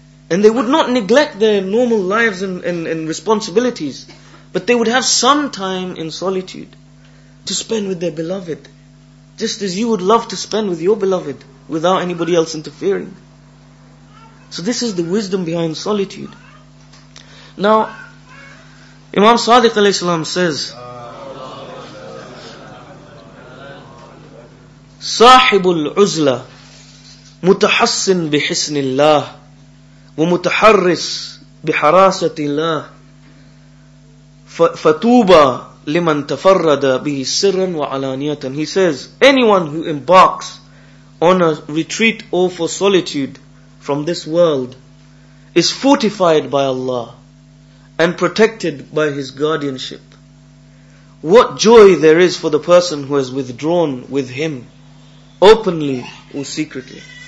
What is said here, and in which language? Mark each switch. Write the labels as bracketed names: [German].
[English] And they would not neglect their normal lives and responsibilities. But they would have some time in solitude to spend with their beloved. Just as you would love to spend with your beloved without anybody else interfering. So this is the wisdom behind solitude. Now, Imam Sadiq alayhi salam says, [Arabic] صَاحِبُ الْعُزْلَ مُتَحَسِّن بِحِسْنِ اللَّهِ وَمُتَحَرِّسْ بِحَرَاسَةِ اللَّهِ فَتُوبَ لِمَن تَفَرَّدَ بِهِ سِرًّا وَعَلَانِيَةً. [English] He says, anyone who embarks on a retreat or for solitude from this world is fortified by Allah and protected by His guardianship. What joy there is for the person who has withdrawn with Him, openly or secretly.